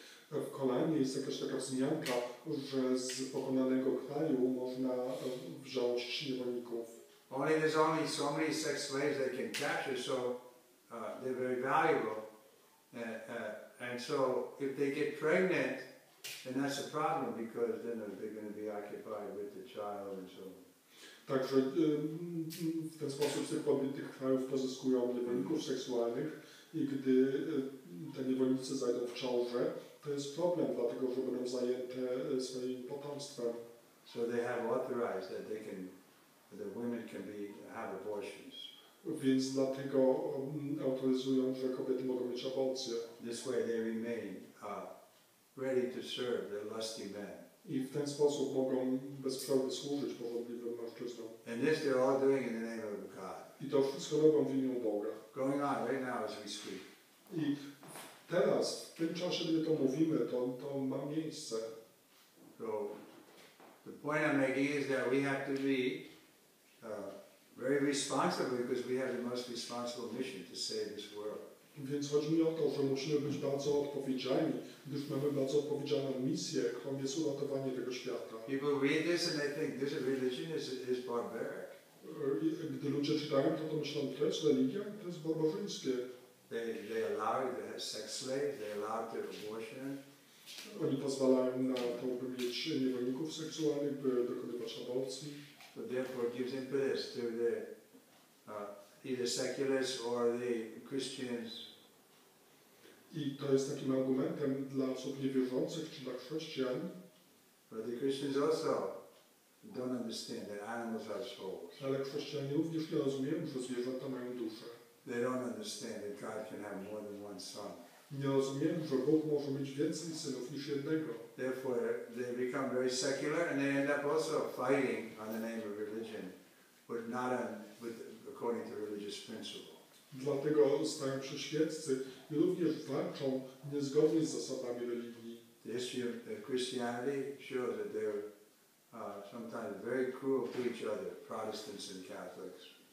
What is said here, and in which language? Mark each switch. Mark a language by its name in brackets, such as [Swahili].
[Polish] W Koranie jest jakaś taka wzmianka, że z pokonanego kraju można wziąć niewolników. [English] Only there's only so many sex slaves they can capture, so they're very valuable. And so if they get pregnant, then that's a problem because then they're going to be occupied with the child and so on. [Polish] Także w ten sposób z tych pobitych krajów pozyskują niewolników seksualnych i gdy te niewolnicy zajdą w ciążę, to jest problem, dlatego że będą zajęte swoim potomstwem. [English] So they have authorized that they can, that women can be, have abortions. [Polish] Więc dlatego autoryzują, że kobiety mogą mieć aborcję. [English] This way they remain ready to serve their lusty men. [Polish] I w ten sposób mogą bez przerwy służyć pożądliwym mężczyznom. [English] And this they're all doing in the name of God. [Polish] I to wszystko robią w imię Boga. [English] Going on right now as we speak. [Polish] I teraz, w tym czasie, gdy to mówimy, to ma miejsce. [English] So, the point I'm making is that we have to be very responsible because we have the most responsible mission to save this world. [Polish] Więc chodzi mi o to, że musimy być bardzo odpowiedzialni, gdyż mamy bardzo odpowiedzialną misję, jaką jest uratowanie tego świata. [English] People read this and they think this religion is barbaric. [Polish] Gdy ludzie czytają to, to myślą, to jest religia, to jest barbarzyńskie. [English] They allow the sex slaves, they allow their abortion. [Polish] Oni pozwalają na to, by mieć niewolników seksualnych, by dokonywać aborcji. [English] So therefore gives impetus to the either secularists or the Christians. [Polish] I to jest takim argumentem dla osób niewierzących czy dla chrześcijan. [English] But the Christians also don't understand that animals have souls. [Polish] Ale chrześcijanie również nie rozumieją, że zwierzęta mają duszę. [English] They don't understand that God can have more than one son. [Polish] Nie rozumiem, że Bóg może mieć więcej synów niż jednego. [English] Therefore, they become very secular and they end up also fighting on the name of religion, but not on, with, according to religious principle. [Polish] Dlatego stają się świeccy i również walczą niezgodnie z zasadami religii. [English] The history of Christianity shows that they're sometimes very cruel to each other, Protestants and Catholics.